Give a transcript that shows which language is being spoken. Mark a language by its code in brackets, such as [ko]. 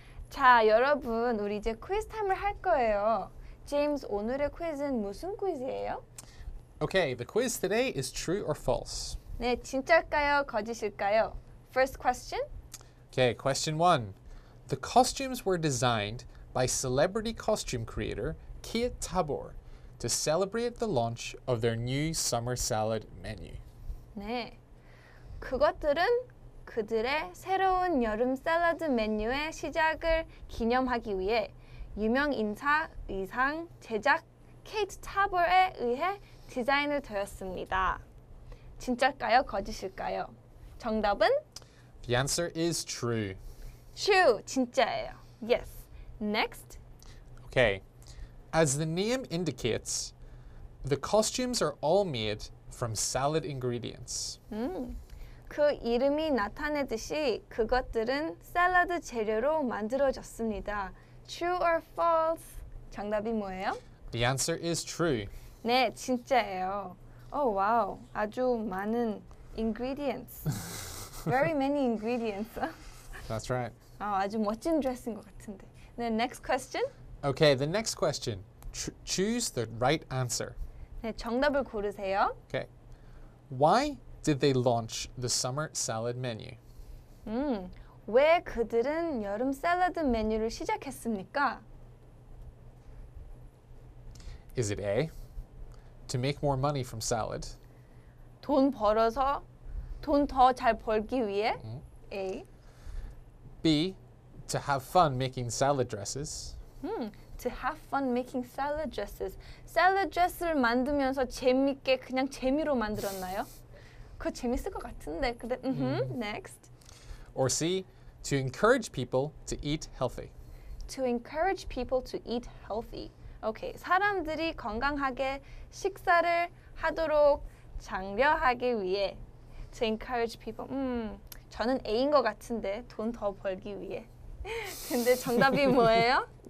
[ko] 자, 여러분, 우리 이제 퀴즈 타임을 할 거예요. James, 오늘의 퀴즈는 무슨 퀴즈예요? [en] Okay, the quiz today is true or false. [ko] 네, 진짜일까요? 거짓일까요? [en] First question. Okay, question one. The costumes were designed by celebrity costume creator Kia Tabor to celebrate the launch of their new summer salad menu. [ko] 네, 그것들은 그들의 새로운 여름 샐러드 메뉴의 시작을 기념하기 위해 유명 인사 의상 제작 케이트 타버에 의해 디자인을 되었습니다. 진짜일까요? 거짓일까요? 정답은? [en] The answer is true. True, [ko] 진짜예요. [en] Yes. Next. Okay. As the name indicates, the costumes are all made from salad ingredients. [ko] 그 이름이 나타내듯이 그것들은 샐러드 재료로 만들어졌습니다. [en] True or false? [ko] 정답이 뭐예요? [en] The answer is true. [ko] 네, 진짜예요. [en] Oh, wow. [ko] 아주 많은 ingredients. [en] Very many ingredients. That's right. [ko] 아, 아주 멋진 드레스인 것 같은데. [en] 네, next question. Okay, the next question. Choose the right answer. [ko] 네, 정답을 고르세요. [en] Okay. Why did they launch the summer salad menu? [ko] 왜 그들은 여름 샐러드 메뉴를 시작했습니까? [en] Is it A, to make more money from salad? [ko] 돈 벌어서 돈 더 잘 벌기 위해? [en] A. B, to have fun making salad dresses? To have fun making salad dresses. [ko] 샐러드 드레스를 만들면서 재밌게 그냥 재미로 만들었나요? 그거 재밌을 것 같은데. 근데 next. [en] Or C, to encourage people to eat healthy. To encourage people to eat healthy. [ko] Okay, 사람들이 건강하게 식사를 하도록 장려하기 위해. [en] To encourage people. [ko] 저는 A인 것 같은데 돈 더 벌기 위해. 근데 정답이 뭐예요?